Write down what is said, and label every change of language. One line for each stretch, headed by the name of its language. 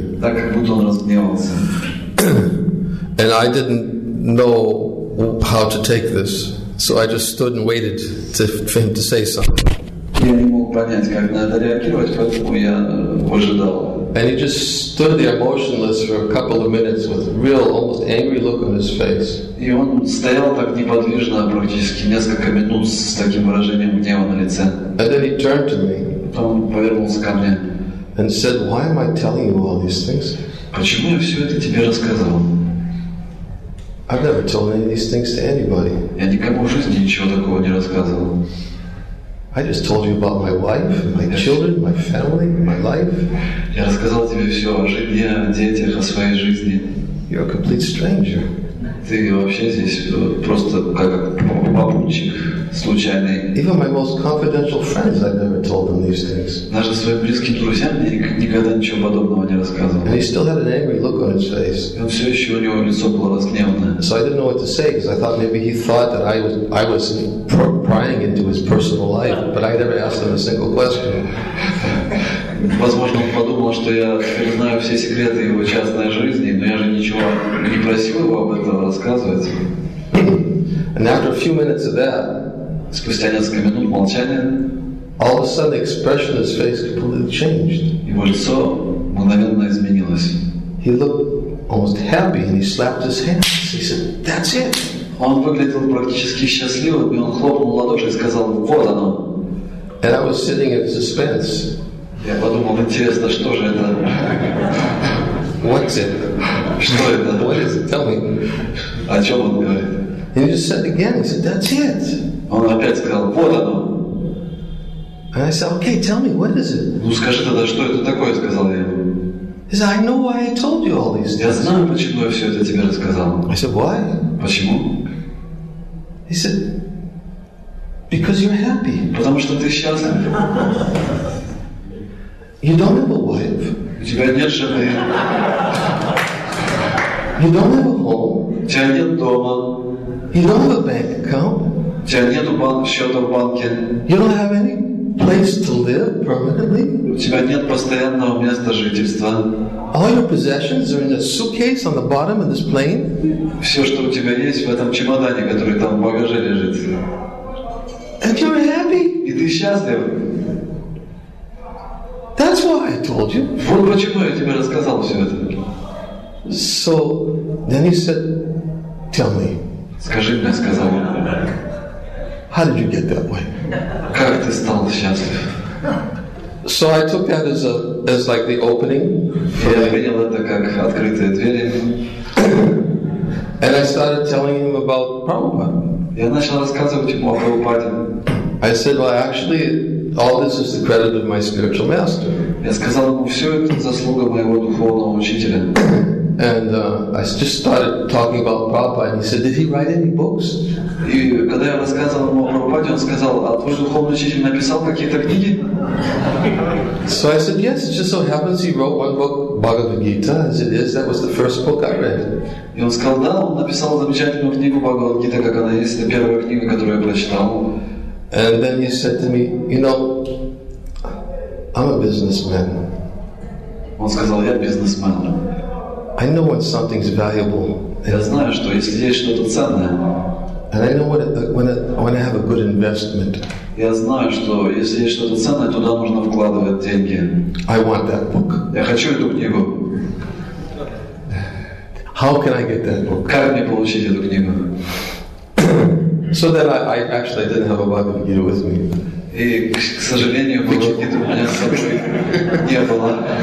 English: And I didn't know how to take this, so I just stood and waited for him to say something.
Russian: Я не мог понять, как на это реагировать, поэтому я выжидал.
English: And he just stood there motionless for a couple of minutes with a real, almost angry look on his face.
Russian: И он стоял так неподвижно практически несколько минут с таким выражением гнева на лице.
English: And then he turned to me.
Russian: Потом он повернулся ко мне.
English: And said, "Why am I telling you all these things?"
Russian: Почему я все это тебе рассказывал?
English: I've never told any of these things to anybody.
Russian: Я никому в жизни ничего такого не рассказывал.
English: I just told you about my wife, my children, my family, my life.
Russian: Я рассказал тебе все о жизни, о детях, о своей жизни.
English: You're a complete stranger.
Russian: Ты вообще здесь просто как попутчик случайный.
English: Even my most confidential friends, I've never told them these things.
Russian: Даже своим близким друзьям я никогда ничего подобного не рассказывал.
English: And he still had an angry look on his face.
Russian: Он все еще у него лицо было разгневанное.
English: So I didn't know what to say because I thought maybe he thought that I was prying into his personal life, but I never asked him a single question.
Russian: Возможно, он подумал, что я знаю все секреты его частной жизни, но я же ничего не просил его об этом рассказывать.
English: And after a few minutes of that,
Russian: спустя несколько минут молчания,
English: all of a sudden the expression of his face completely changed.
Russian: Его лицо мгновенно изменилось.
English: He looked almost happy and he slapped his hands. He said, "That's it."
Russian: Он выглядел практически счастливым, и он хлопнул ладоши и сказал, "Вот оно."
English: And I was sitting in suspense.
Russian: Я подумал, интересно, что же это?
English: What's it?
Russian: Что это?
English: What is it? Tell me.
Russian: О чем он говорит?
English: And he just said again, he said, "That's it."
Russian: Он опять сказал, "Вот оно."
English: And I said, "Okay, tell me, what is it?"
Russian: Ну скажи тогда, что это такое, сказал я ему.
English: He said, "I know why I told you all these things."
Russian: Я знаю, почему я все это тебе рассказал.
English: I said, "Why?"
Russian: Почему?
English: He said, "Because you're happy."
Russian: Потому что ты счастлив.
English: You don't have a wife.
Russian: У тебя нет жены.
English: You don't have a home.
Russian: У тебя нет дома.
English: You don't have a bank account.
Russian: У тебя нет счета в банке.
English: You don't have any place to live permanently.
Russian: У тебя нет постоянного места жительства.
English: All your possessions are in a suitcase on the bottom of this plane.
Russian: Все, что у тебя есть, в этом чемодане, который там в багаже лежит.
English: And you're happy.
Russian: И ты счастлив.
English: That's why I told you.
Russian: Вот почему я тебе рассказал все это.
English: So then he said, "Tell me."
Russian: Скажи мне, сказал он.
English: How did you get that way?
Russian: Как ты стал счастлив?
English: So I took that as like the opening.
Russian: Я принял это как открытые двери.
English: And I started telling him about Prabhupada.
Russian: Я начал рассказывать ему о Прабхупаде.
English: I said, "Well, actually, all this is the credit of my spiritual master."
Russian: Я сказал ему, все это заслуга моего духовного учителя.
English: And I just started talking about Prabhupada, and he said, "Did he write any books?"
Russian: И когда я рассказывал ему о Прабхупаде, он сказал, "А твой духовный учитель написал какие-то книги?"
English: So I said, "Yes, it just so happens he wrote one book, Bhagavad Gita, as it is. That was the first book I read."
Russian: И он сказал, "Да, он написал замечательную книгу Бхагавад Гита, как она есть, это первая книга, которую я прочитал."
English: And then he said to me, "You know, I'm a businessman."
Russian: Он сказал, я бизнесмен.
English: I know when something's valuable.
Russian: Я знаю, что если есть что-то ценное.
English: And I know when I have a good investment.
Russian: Я знаю, что если есть что-то ценное, туда нужно вкладывать деньги.
English: I want that book.
Russian: Я хочу эту книгу.
English: How can I get that book?
Russian: Как мне получить эту книгу?
English: So that I actually didn't have a Bible to get it with me.
Russian: И, к сожалению, книги у меня с собой не было.